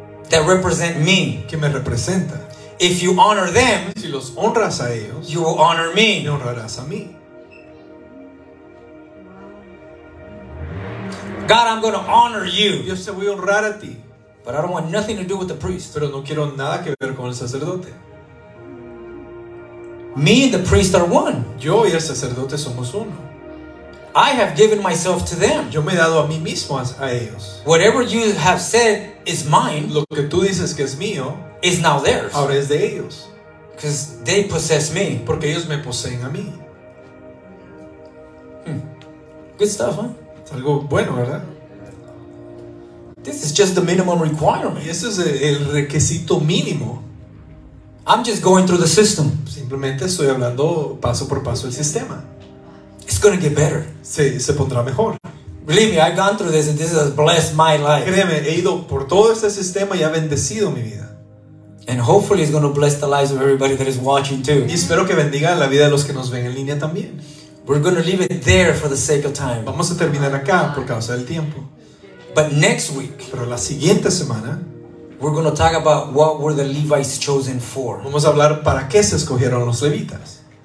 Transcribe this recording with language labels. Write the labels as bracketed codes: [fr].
[en] That represent me. [es] Que me representa. [en] If you honor them, [es] si los honras a ellos, [en] you will honor me. [es] Me honrarás a mí. [en] God, I'm going to honor you. [es] Yo te voy a honrar a ti. [en] But I don't want nothing to do with the priest. [es] Pero no quiero nada que ver con el sacerdote. [en] Me and the priest are one. [es] Yo y el sacerdote somos uno. [en] I have given myself to them. [es] Yo me he dado a mí mismo a ellos. [en] Whatever you have said is mine. [es] Lo que tú dices que es mío. [en] Is now theirs. [es] Ahora es de ellos. [en] Because they possess me. [es] Porque ellos me poseen a mí. [en] Good stuff, huh? [es] Es algo bueno, ¿verdad? [en] This is just the minimum requirement. [es] Y eso es el requisito mínimo. [en] I'm just going through the system. [es] Simplemente estoy hablando paso por paso el sistema. [en] It's going to get better. [es] Se pondrá mejor. [en] Believe me, I've gone through this and this has blessed my life. [es] Créeme, he ido por todo este sistema y ha bendecido mi vida. [en] And hopefully it's going to bless the lives of everybody that is watching too. [es] Y espero que bendiga la vida de los que nos ven en línea también. [en] We're going to leave it there for the sake of time. [es] Vamos a terminar acá por causa del tiempo. [en] But next week, [es] pero la siguiente semana, [en] we're going to talk about what were the Levites chosen for. [es] Vamos a hablar para qué se escogieron los levitas.